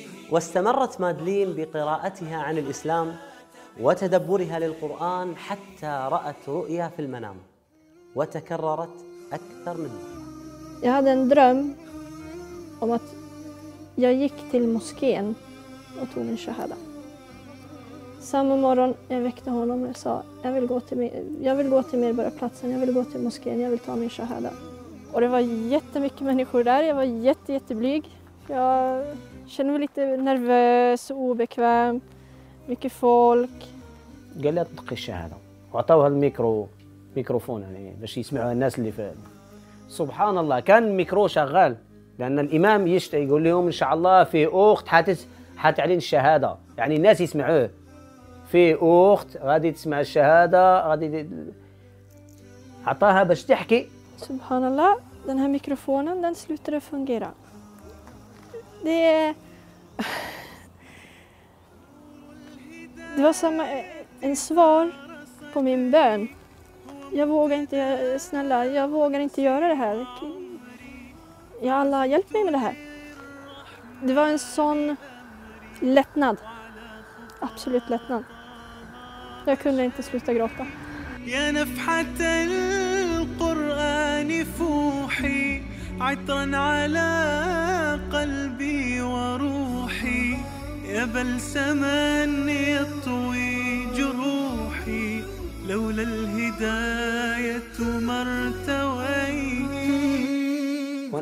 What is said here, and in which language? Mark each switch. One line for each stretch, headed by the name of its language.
Arabic: واستمرت مادلين بقراءتها عن الإسلام وتدبرها للقرآن حتى رأت رؤيا في المنام وتكررت أكثر من مرة.
Swedish: Jag hade en dröm om att jag gick till moskén och tog min shahada. Samma morgon jag väckte honom och jag sa jag vill gå till medborgarplatsen, jag vill gå till moskén, jag vill ta min shahada. Och det var jättemycket människor där, jag var jätteblyg. Jag kände mig lite nervös och obekväm, mycket folk.
Arabic: قال اطلق الشهاده واعطوها الميكروفون يعني باش يسمعوا الناس اللي في. سبحان الله كان الميكرو شغال لان الامام يشتي يقول لهم ان شاء الله في اخت حتعلن الشهاده يعني الناس يسمعوه في اخت غادي تسمع الشهاده غادي عطاها باش تحكي. سبحان الله
Swedish: den här mikrofonen den slutade fungera. Det var som en svar på min bön. Jag vågar inte, snälla, jag vågar inte göra det här. Ja, Allah, hjälp mig med det här. Det var en sån lättnad. Absolut lättnad. Jag kunde inte sluta gråta.
Arabic: Ja, nafhat al-Qur'an fuhi عطرًا على قلبي وروحي يا بلسمًا يطوي جروحي لولا الهداية مرتويني.